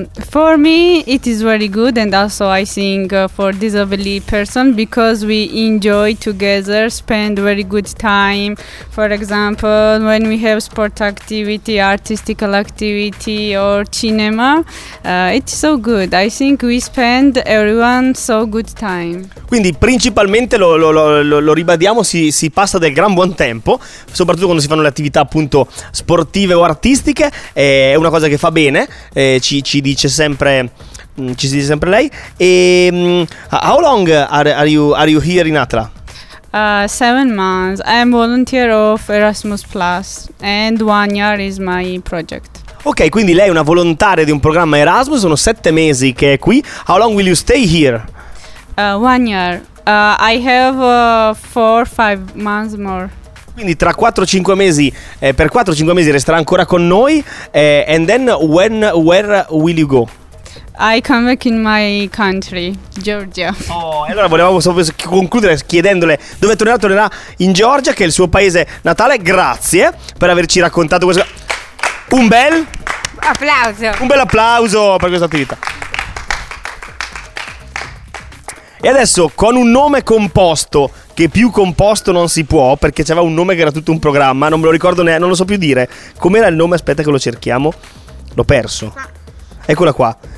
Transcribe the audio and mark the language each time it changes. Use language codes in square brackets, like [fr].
[en] For me it is very good, and also I think for disabled person, because we enjoy together, spend very good time. For example, when we have sport activity, artistic activity or cinema, it's so good. I think we spend everyone so good time. [it] Quindi principalmente lo ribadiamo, si passa del gran buon tempo, soprattutto quando si fanno le attività appunto sportive o artistiche. È una cosa che fa bene. Ci dice sempre lei. [en] E how long are you here in ATLA? 7 months. I'm volunteer of Erasmus Plus and 1 year is my project. [it] Ok, quindi lei è una volontaria di un programma Erasmus, sono 7 mesi che è qui. [en] How long will you stay here? 1 year. I have 4-5 months more. [it] Quindi tra 4-5 mesi, per 4-5 mesi resterà ancora con noi. [en] And then where will you go? I come back in my country, Georgia. [it] Oh, allora volevamo concludere chiedendole dove tornerà in Georgia, che è il suo paese natale. Grazie per averci raccontato questo. Un bel applauso. Un bel applauso per questa attività. E adesso con un nome composto, che più composto non si può, perché c'aveva un nome che era tutto un programma, non me lo ricordo neanche, non lo so più dire. Com'era il nome? Aspetta che lo cerchiamo. L'ho perso. Eccola qua.